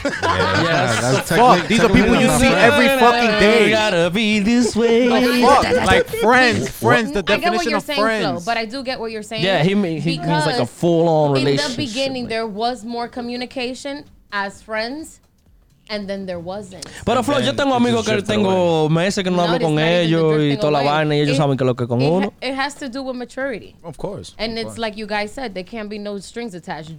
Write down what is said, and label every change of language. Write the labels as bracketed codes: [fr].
[en] Yes. Yeah, fuck. These are people you see every fucking day. You gotta be this way. Fuck. Like Friends. Friends. The definition of friends. I get what you're saying, though. But I do get what you're saying. Yeah, he means like a full-on relationship. In the beginning, there was more communication as friends. And then there wasn't. [es] Pero Flo, yo tengo amigos que tengo meses que no hablo con ellos y toda la vaina y ellos saben que lo que con uno. [en] It has to do with maturity. Of course. And it's like you guys said, there can't be no strings attached.